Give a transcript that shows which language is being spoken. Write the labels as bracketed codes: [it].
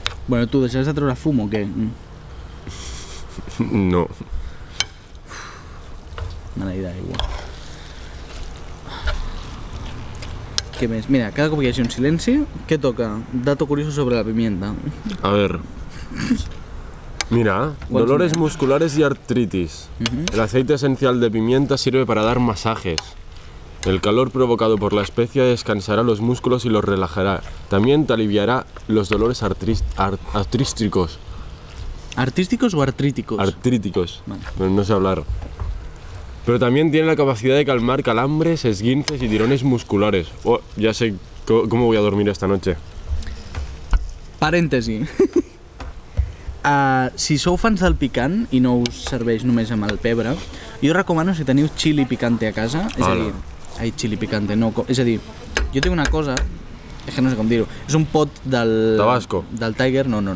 [ca] Bueno, tu deixaràs de treure fum o què? No. Maleïda d'aigua. Què més? Mira, cada cop que hi hagi un silenci, què toca? [es] Dato curioso sobre la pimienta. A ver. Mira, dolores musculares y artritis. El aceite esencial de pimienta sirve para dar masajes. El calor provocado por la especia descansará los músculos y los relajará. También te aliviará los dolores artrísticos. ¿Artísticos o artríticos? Artríticos, vale. No sé hablar. Pero también tiene la capacidad de calmar calambres, esguinces y tirones musculares. Oh, ya sé cómo voy a dormir esta noche. Paréntesis. [ca] Si sou fans del picant i no us serveix només amb el pebre, jo recomano si teniu [es] chili picante [ca] a casa, és a dir, ai, chili picante, no, és a dir, jo tinc una cosa, és que no sé com dir-ho, és un pot del... Tabasco. Del Tiger, no.